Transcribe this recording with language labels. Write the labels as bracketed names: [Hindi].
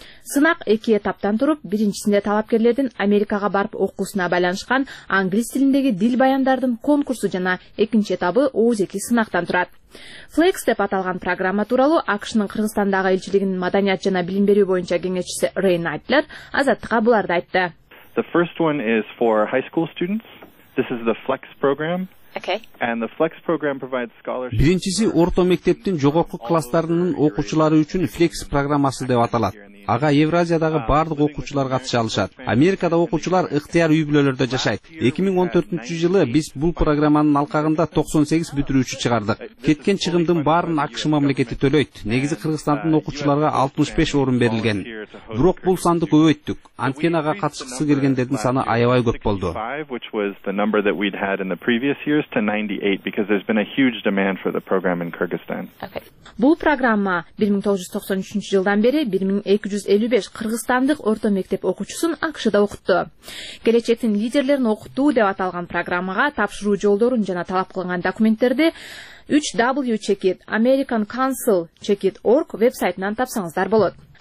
[Kyrgyz] Сынак эки этаптан туруп, биринчисинде талапкерлердин Америкага барып окуусуна байланышкан англис тилиндеги дил баяндардын конкурсу жана экинчи этабы оозеки сынактан турат. Flex деп аталган программа тууралуу АКШнын Кыргызстандагы элчилигинин маданият жана билим берүү боюнча кеңешчиси Рейн Найтлер Азаттыкка буларды айтты. [English] The first one is for high school students. This is the Flex program. Okay. And the Flex program provides scholarships. [Kyrgyz] Биринчиси орто мектептин жогорку класстарынын окуучулары үчүн Flex программасы деп аталат. Ага Евразиядагы бардык окуучулар катыша алышат. Америкада окуучулар ыктыяр үй бүлөлөрдө жашайт. 2014 жылы биз бул программанын алкагында 98 бүтүрүүчү чыгардык. Кеткен чыгымдын баарын АКШ мамлекети төлөйт. Негизи Кыргызстандын окуучуларга 65 орун берилген. Бирок бул санды көбөйттүк. Анткени ага катышкысы келгендердин саны аябай көп болду. [English] Years to 98 because there's been a huge demand for the program in Kyrgyzstan. Okay. [Kyrgyz] Бул программа 1993 жылдан бери 1255 кыргызстандык орто мектеп окуучусун АКШда окутту. Келечектин лидерлерин окутуу деп аталган программага тапшыруу жолдорун жана талап кылынган документтерди 3w.americancouncil.org вебсайтынан тапсаңыздар болот.